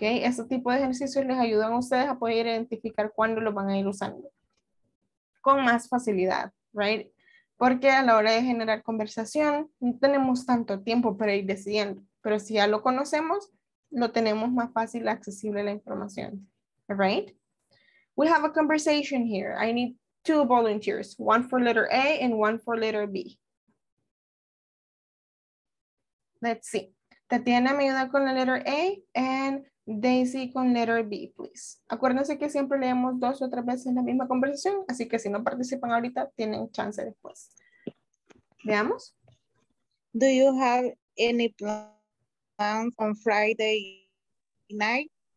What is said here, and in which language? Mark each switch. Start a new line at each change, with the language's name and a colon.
Spanish: Este tipo de ejercicios les ayudan a ustedes a poder identificar cuándo lo van a ir usando con más facilidad, ¿right? Porque a la hora de generar conversación no tenemos tanto tiempo para ir decidiendo, pero si ya lo conocemos, lo tenemos más fácil, accesible la información, ¿right?
English: We have a conversation here. I need 2 volunteers, 1 for letter A and 1 for letter B. Let's see. Tatiana
Spanish: me ayuda con la
English: letter A and Daisy con letter B, please.
Spanish: Acuérdense que siempre leemos 2 o 3 veces la misma conversación, así que si no participan ahorita, tienen chance después. Veamos.
English: Do you have any plans on Friday night?